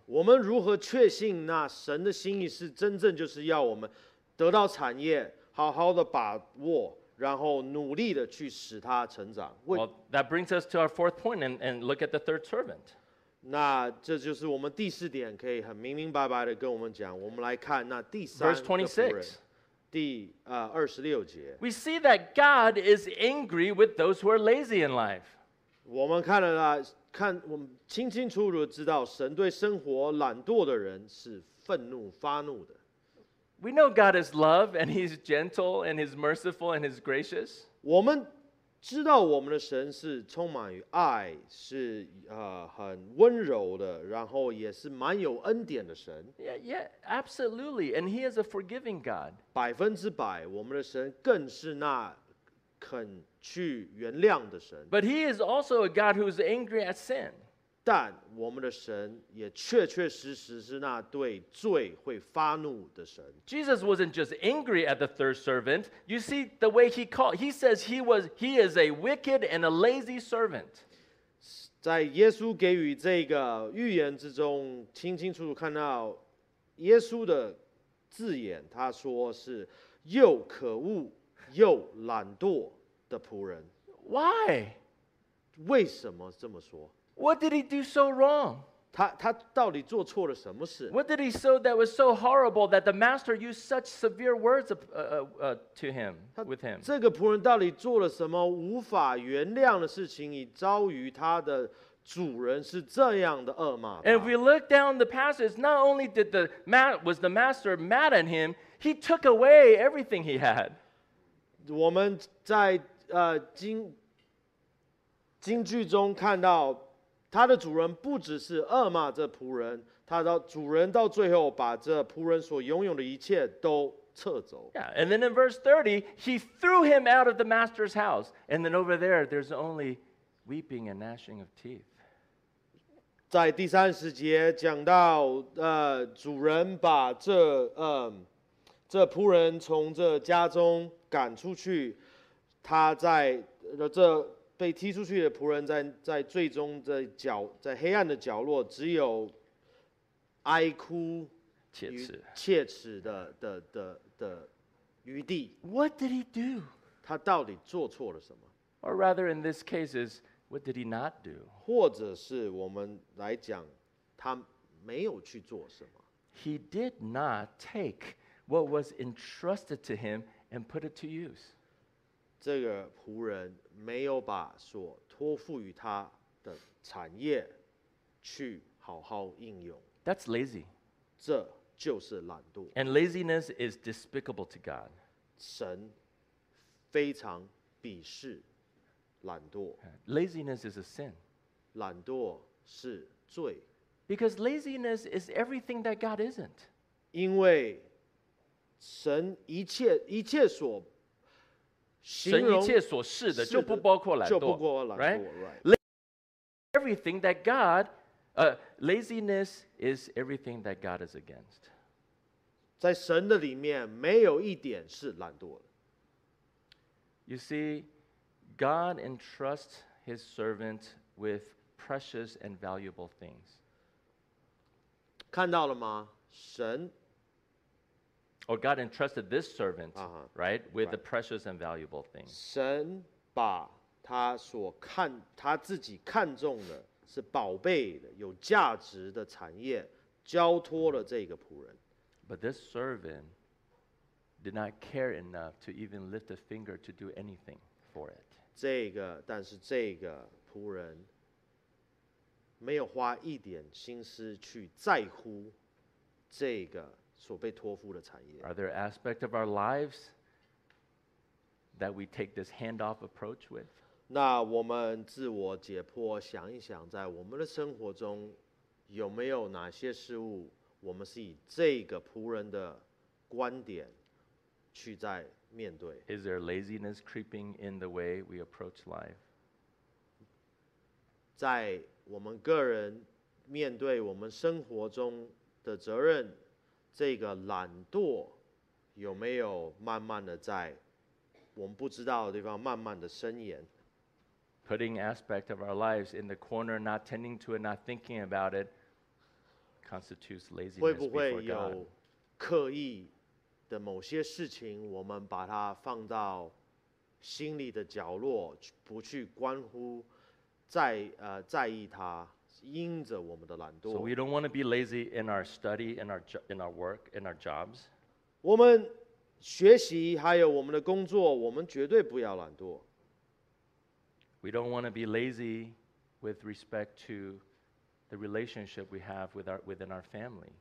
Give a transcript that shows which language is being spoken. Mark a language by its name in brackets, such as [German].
[Chinese] 我们如何确信那神的心意是真正就是要我们得到产业，好好的把握，然后努力的去使它成长？ [English] Well, that brings us to our fourth point, and look at the third servant. [Chinese] 那这就是我们第四点，可以很明明白白的跟我们讲。我们来看那第三个仆人，第二十六节。 [English] We see that God is angry with those who are lazy in life. [Chinese] 我们看了啦，看我们清清楚楚知道，神对生活懒惰的人是愤怒发怒的。 [English] We know God is love, and He's gentle, and He's merciful, and He's gracious. [Chinese] 我们知道我们的神是充满于爱，是很温柔的，然后也是蛮有恩典的神。 [English] Yeah, absolutely. And He is a forgiving God. [Chinese] 百分之百，我们的神更是那肯去原谅的神。 [English] But He is also a God who is angry at sin. [Chinese] 但我们的神也确确实实是那对罪会发怒的神。 [English] Jesus wasn't just angry at the third servant. You see the way He called. He says he is a wicked and a lazy servant. [Chinese] 在耶稣给予这个预言之中，清清楚楚看到耶稣的字眼，他说是又可恶又懒惰的仆人。 [English] Why? [Chinese] 为什么这么说？ [English] What did he do so wrong? [Chinese] 他到底做错了什么事? [English] What did he say that was so horrible that the master used such severe words to him, with him? [Chinese] 这个仆人到底做了什么无法原谅的事情以遭遇他的主人是这样的恶骂? [English] And if we look down the passage, not only did the master mad at him, he took away everything he had. [Chinese] 我们在经句中看到他的主人不只是恶骂这仆人，他到主人到最后把这仆人所拥有的一切都撤走。 [English] Yeah, and then in verse 30, he threw him out of the master's house. And then over there, there's only weeping and gnashing of teeth. [Chinese] 在第三十节讲到，主人把这仆人从这家中赶出去，他在这被踢出去的仆人在最终的角，在黑暗的角落，只有哀哭、切齿的余地。 [English] What did he do? [Chinese] 他到底做错了什么 [English] ？Or rather, in this case, is what did he not do? [Chinese] 或者是我们来讲，他没有去做什么。 [English] He did not take what was entrusted to him and put it to use. [Chinese] 这个仆人没有把所托付于他的产业去好好应用。 [English] That's lazy. [Chinese] 这就是懒惰。 [English] And laziness is despicable to God. [Chinese] 神非常鄙视懒惰。 [English] Laziness is a sin. [Chinese] 懒惰是罪。 [English] Because laziness is everything that God isn't. [Chinese] 因为神一切所神一切所示的就不包括懒惰，就不包括懒惰 [English] right? Everything that God, laziness is everything that God is against. [Chinese] 在神的里面没有一点是懒惰的。 [English] You see, God entrusts His servant with precious and valuable things. [Chinese] 看到了吗？神 [English] Or God entrusted this servant, right, with the precious and valuable things. [Chinese] 神把他所看他自己看中的是宝贝的有价值的产业交托了这个仆人。 [English] But this servant did not care enough to even lift a finger to do anything for it. [Chinese] 但是这个仆人没有花一点心思去在乎这个所被托付的产业。 [English] Are there aspects of our lives that we take this handoff approach with? [Chinese] 那我们自我解剖，想一想，在我们的生活中，有没有哪些事物，我们是以这个仆人的观点去在面对？ [English] Is there laziness creeping in the way we approach life? [Chinese] 在我们个人面对我们生活中的责任，这个懒惰有没有慢慢的在我们不知道的地方慢慢的伸延？ [English] Putting aspect of our lives in the corner, not tending to it, not thinking about it, constitutes laziness before God. [Chinese] 会不会有刻意的某些事情，我们把它放到心里的角落，不去关乎在意它？因着我们的懒惰。 [English] So we don't want to be lazy in our study, in our work, in our jobs. [Chinese] 我们学习还有我们的工作，我们绝对不要懒惰。 [English] We don't want to be lazy with respect to the relationship we have within our family.